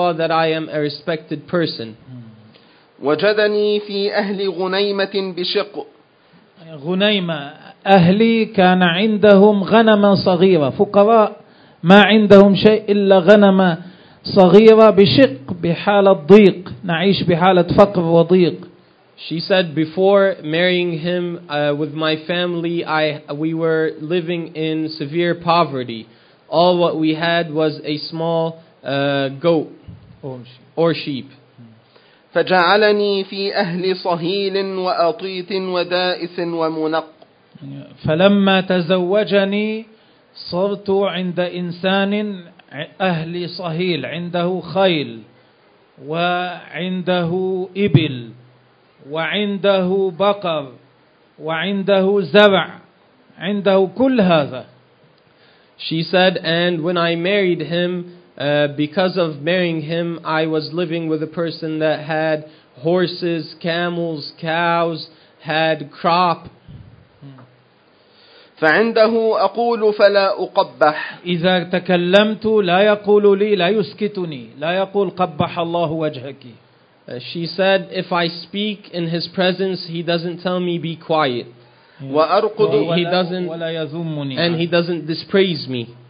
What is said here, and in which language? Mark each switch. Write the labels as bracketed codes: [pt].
[en] I saw that I am a respected person. [ar] وجدني في أهل غنيمة بشق. غنيمة, أهلي كان عندهم غنما صغيرة, فقراء ما عندهم شيء إلا غنما صغيرة بشق بحالة ضيق نعيش بحالة فقر وضيق. [en] She said, before marrying him with my family, we were living in severe poverty. All what we had was a small goat or sheep. [ar] فجعلني في أهل صهيل وأطيط ودائس ومنق. فلما تزوجني صرت عند إنسان أهل صهيل عنده خيل وعنده إبل وعنده بقر وعنده زرع عنده كل هذا. [en] She said, and when I married him, because of marrying him, I was living with a person that had horses, camels, cows, had crop. [ar] فعنده أقول فلا أقبح. إذا تكلمت لا يقول لي لا يسكتني لا يقول قبح الله وجهك. [en] She said, if I speak in his presence, he doesn't tell me be quiet. [ar] وأرقد ولا يذمني [en] and he doesn't dispraise me